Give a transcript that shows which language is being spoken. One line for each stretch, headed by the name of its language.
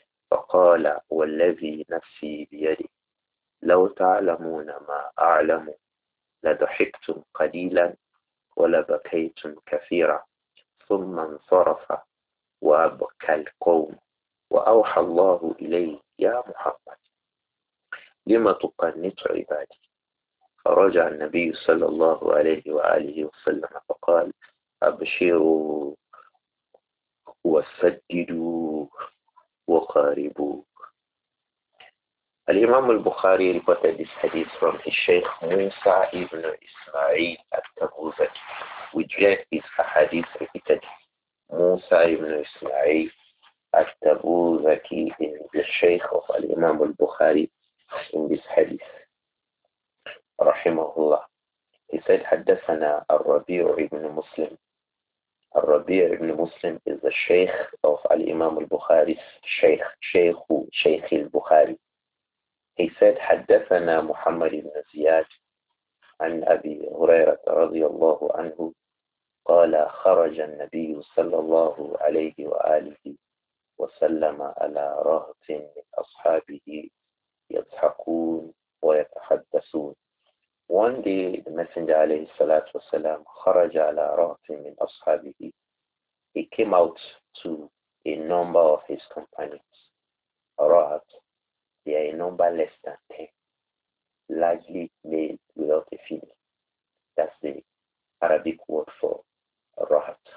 Arabic: فقال والذي نفسي بيده لو تعلمون ما أعلم لضحكتم قليلا ولبكيتم كثيرا ثم انصرف وبكى القوم وأوحى الله إليه يا محمد لما تقنط عبادي فرجع النبي صلى الله عليه وآله وسلم فقال أبشروا وسددوا وقاربوا.
English: الإمام البخاري reported this hadith from his Sheikh موسى ابن إسماعيل التبوذكي, which yet is a hadith repeated. موسى ابن إسماعيل التبوذكي is the Sheikh of الإمام البخاري in this hadith. Rahimahullah. He said, Haddathana al-Rabi'u ibn Muslim. Al-Rabi'u ibn Muslim is the Shaykh of Al-Imam al-Bukhari's Shaykh, Shaykhu, Shaykh al-Bukhari. He said,
Arabic: Haddathana Muhammad ibn Ziyad an Abi Hurairah radiyallahu anhu qala kharaja an-Nabiyu sallallahu alayhi wa alihi وسلم على رهط من أصحابه يضحكون ويتحدثون.
English: One day, the Messenger
Arabic: عليه الصلاة والسلام خرج على رهط من أصحابه.
English: He came out to a number of his companions. رهط, they are a number less than 10, largely male without a female. That's the Arabic word for rahat.